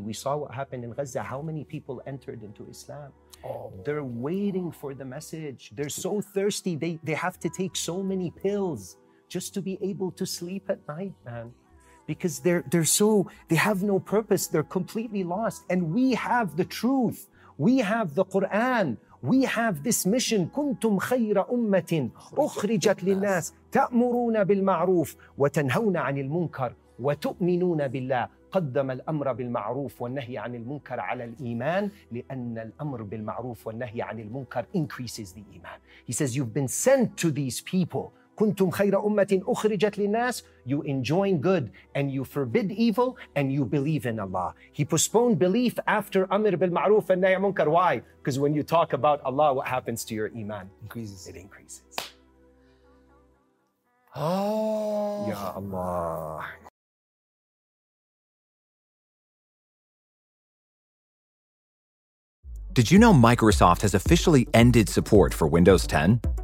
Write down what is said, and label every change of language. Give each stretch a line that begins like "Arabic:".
English: We saw what happened in Gaza. How many people entered into Islam? Oh. They're waiting for the message. They're so thirsty. They have to take so many pills just to be able to sleep at night, man. Because they have no purpose. They're completely lost. And we have the truth. We have the Quran. We have this mission.
Arabic: كنتم خير أمة أخرجت للناس تأمرون بالمعروف وتنهون عن المنكر وتؤمنون بالله. قدم الأمر بالمعروف والنهي عن المنكر على الإيمان لأن الأمر بالمعروف والنهي عن المنكر
English: increases the
Arabic: إيمان.
English: He says, you've been sent to these people.
Arabic: كنتم خير أمة أخرجت للناس.
English: You enjoin good and you forbid evil and you believe in Allah. He postponed belief after
Arabic: أمر بالمعروف والنهي عن المنكر.
English: Why? Because when you talk about Allah, what happens to your إيمان? Increases. It increases. Oh. Ya Allah. Did you know Microsoft has officially ended support for Windows 10?